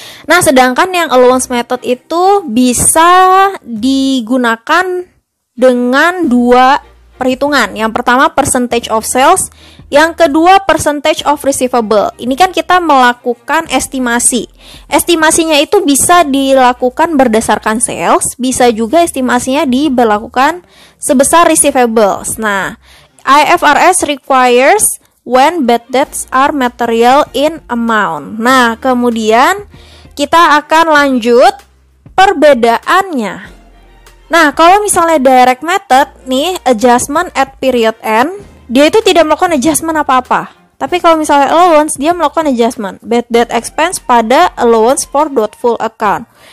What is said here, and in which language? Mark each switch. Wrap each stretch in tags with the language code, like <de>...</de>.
<id>Nah, sedangkan yang allowance method itu bisa digunakan dengan dua perhitungan. Yang pertama percentage of sales, yang kedua percentage of receivable. Ini kan kita melakukan estimasi. Estimasinya itu bisa dilakukan berdasarkan sales, bisa juga estimasinya diberlakukan sebesar receivables.</id> <en>Nah, IFRS requires when bad debts are material in amount.</en> <id>Nah, kemudian kita akan lanjut perbedaannya. Nah, kalau misalnya direct method nih, adjustment at period end, dia itu tidak melakukan adjustment apa-apa. Tapi kalau misalnya allowance, dia melakukan adjustment. Bad debt expense pada allowance for doubtful account.</id>